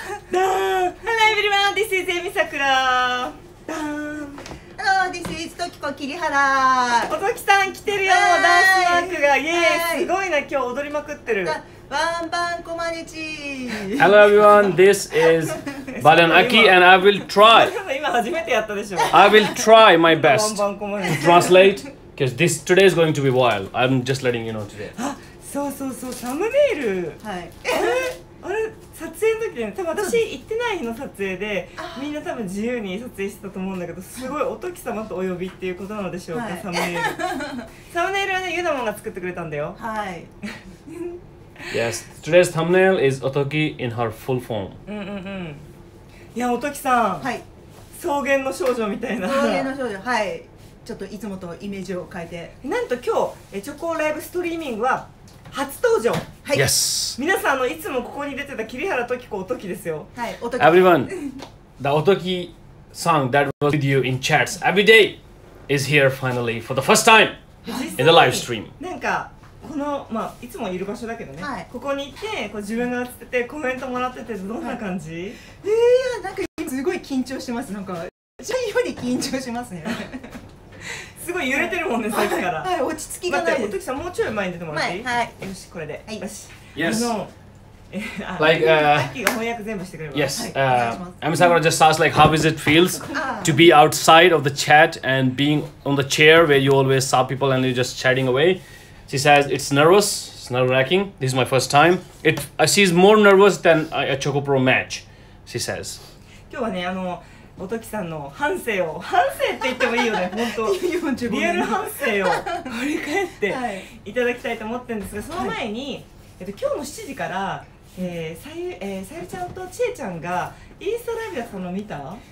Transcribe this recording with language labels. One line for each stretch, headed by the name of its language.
English: ダーン、 Hello everyone, this is Emi Sakura。ダーン、 Hello, this is Tokiko Kirihara。
Japanese: おときさん来てるよ、ダンスマークが。イエーイ、すごいな、今日踊りまくってる。バンバンコマネチ。
English: Hello everyone, this is Balan Aki and I will try。
Japanese: 今初めてやったでしょ。
English: I will try my best to translate because this today is going to be wild. I'm just letting you know today。
Japanese: そうそうそう、サムネイル。はい。あれ撮影の時ね、多分私行ってない日の撮影で、みんな多分自由に撮影してたと思うんだけど、すごいおとき様とお呼びっていうことなのでしょうか、はい、サムネイル。サムネイルはね、ゆだもんが作ってくれたんだよ。はい。
English: Yes, today's thumbnail is Otoki in her full form.
Japanese: うんうんうん。いや、おときさん。はい。草原の少女みたいな。草原の少女、はい。ちょっといつもとイメージを変えて。なんと今日、チョコライブストリーミングは、初登場。はい。
English: Yes.
Japanese: 皆さん、あのいつもここに出てた桐原時子おときですよ。はい、おとき。
English: Everyone, the Otoki song that was with you in chats every day is here finally for the first time in the live stream.
Japanese: なんかこのまあいつもいる場所だけどね。はい、ここに行ってこう自分が映っててコメントもらっててどんな感じ？はい、なんかすごい緊張してます。なんか自分より緊張しますね。すごい揺れてるもんね、さっきから。はい、落ち着きがないです。待って、おときさん、もうちょい前に出てもらっていい？はい、よし、これで。はい、よし。
English: Yes. Like, yes, Emi Sakura just asked like how is it feels to be outside of the chat and being on the chair where you always saw people and you're just chatting away. She says it's nervous, it's nerve-wracking, this is my first time. She's more nervous than a Choco Pro match, she says.
Japanese: Today, おときさんの反省を、反省って言ってもいいよね、本当リアル反省を振り返っていただきたいと思ってるんですが、その前に、今日の7時から、さゆりちゃんとちえちゃんがインスタライブやったの見た？